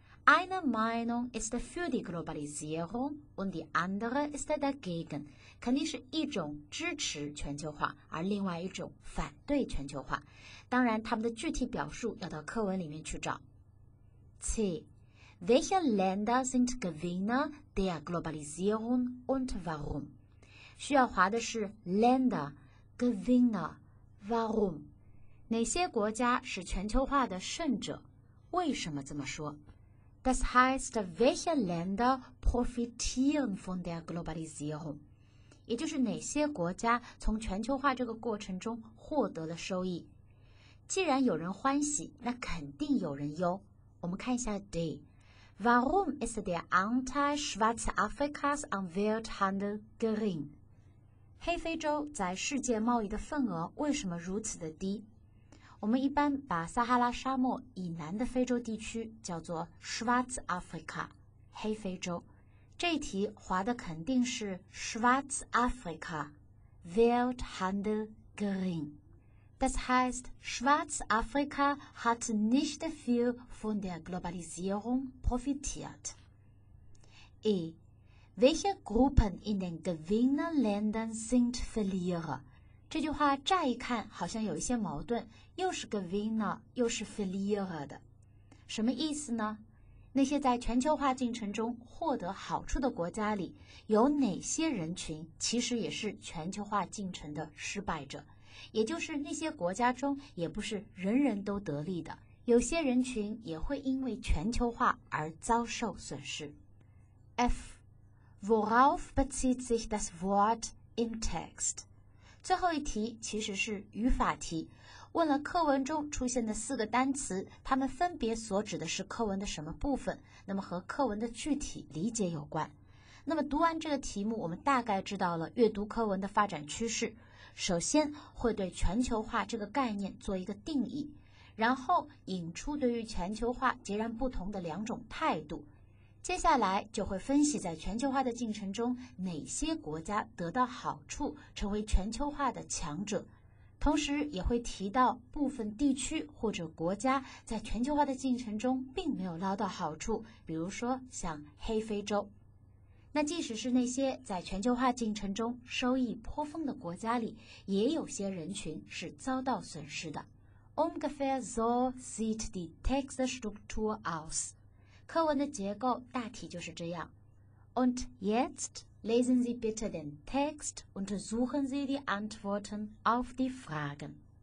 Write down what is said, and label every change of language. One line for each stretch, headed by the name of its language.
German: Eine Meinung ist für die Globalisierung und die andere ist dagegen，
Chinese: 肯定是一种支持全球化，而另外一种反对全球化。当然，他们的具体表述要到课文里面去找。 C.
German: Welche Länder sind Gewinner der Globalisierung und warum?
Chinese: 需要划的是
German: Länder, Gewinner, warum?
Chinese: 哪些国家是全球化的胜者？为什么这么说？
German: Das heißt, welche Länder profitieren von der Globalisierung?
Chinese: 也就是哪些国家从全球化这个过程中获得了收益。既然有人欢喜，那肯定有人忧。我们看一下 D.
German: Warum ist der Anteil Schwarze Afrikas am Welthandel gering?
Chinese: 黑非洲在世界贸易的份额为什么如此的低？我们一般把撒哈拉沙漠以南的非洲地区叫做 Schwarze Afrika, 黑非洲。这一题划的肯定是
German: Schwarze Afrika, Welthandel gering. Das heißt, Schwarze Afrika hat nicht viel von der Globalisierung profitiert. E. Welche Gruppen in den Gewinnerländern sind Verlierer?
Chinese: 这句话乍一看好像有一些矛盾，又是 gewinner 又是 verlierer 的，什么意思呢？那些在全球化进程中获得好处的国家里，有哪些人群其实也是全球化进程的失败者？也就是那些国家中也不是人人都得利的，有些人群也会因为全球化而遭受损失。 F.
German: Worauf bezieht sich das Wort im Text?
Chinese: 最后一题其实是语法题，问了课文中出现的四个单词，它们分别所指的是课文的什么部分，那么和课文的具体理解有关。那么读完这个题目，我们大概知道了阅读课文的发展趋势，首先会对全球化这个概念做一个定义，然后引出对于全球化截然不同的两种态度，接下来就会分析在全球化的进程中哪些国家得到好处，成为全球化的强者，同时也会提到部分地区或者国家在全球化的进程中并没有捞到好处，比如说像黑非洲。那即使是那些在全球化进程中收益颇丰的国家里，也有些人群是遭到损失的。
German: Ungefähr so sieht die Textstruktur aus.
Chinese: 课文的结构大体就是这样。
German: Und jetzt lesen Sie bitte den Text und suchen Sie die Antworten auf die Fragen.